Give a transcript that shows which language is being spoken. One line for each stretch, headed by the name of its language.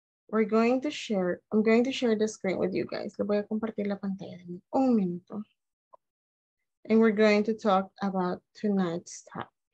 English: We're going to share, I'm going to share the screen with you guys.
Spanish: Le voy a compartir la pantalla en un minuto.
English: And we're going to talk about tonight's topic.